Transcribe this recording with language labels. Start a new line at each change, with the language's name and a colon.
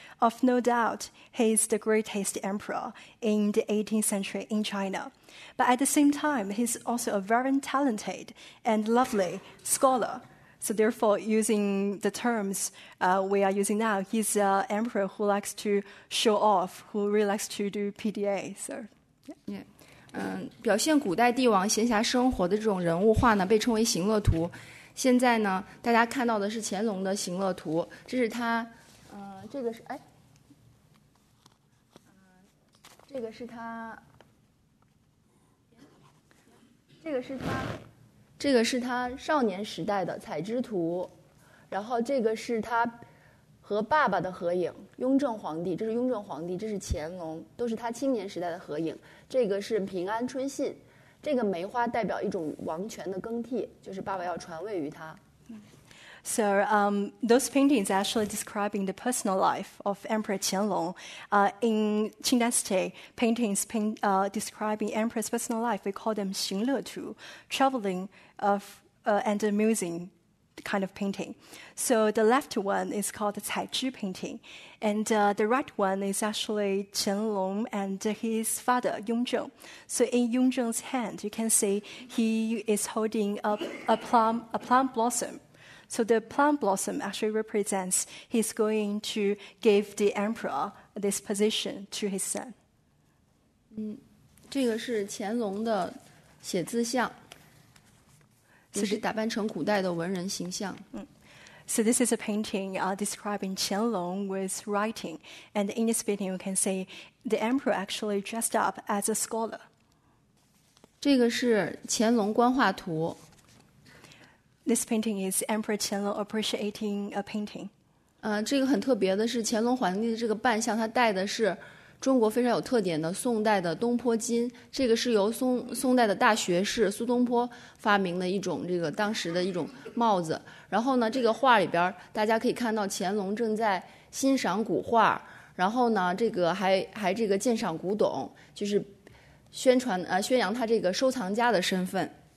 English: Of no doubt, he is the greatest emperor in the 18th century in China. But at the same time, he's also a very talented and lovely scholar. So therefore, using the terms we are using now, he's an emperor who likes to show off, who really likes to do PDA. So, yeah.
Chinese: 表现古代帝王闲暇生活的这种人物画呢，被称为行乐图。现在呢，大家看到的是乾隆的行乐图，这是他，这个是他这个是他少年时代的彩之图，然后这个是他和爸爸的合影，雍正皇帝，这是雍正皇帝，这是乾隆，都是他青年时代的合影。这个是平安春信，这个梅花代表一种王权的更替，就是爸爸要传位于他。
English: So those paintings actually describing the personal life of Emperor Qianlong. In Qing Dynasty, paintings describing Emperor's personal life, we call them 行乐图, traveling of, and amusing kind of painting. So the left one is called the 采芝 painting, and the right one is actually Qianlong and his father, Yongzheng. So in Yongzheng's hand, you can see he is holding a plum blossom. So the plum blossom actually represents he's going to give the emperor this position to his son.
Chinese: 嗯，这个是乾隆的写字像，也是打扮成古代的文人形象。嗯
English: ，So this is a painting describing Qianlong with writing, and in this painting, you can see the emperor actually dressed up as a scholar.
Chinese: 这个是乾隆官画图。
English: This painting is Emperor Qianlong appreciating a painting.
Chinese: 这个很特别的是乾隆皇帝的这个扮相，他戴的是中国非常有特点的宋代的东坡金。这个是由宋代的大学士苏东坡发明的一种这个当时的一种帽子。然后呢，这个画里边大家可以看到乾隆正在欣赏古画，然后呢，这个还这个鉴赏古董，就是宣扬他这个收藏家的身份。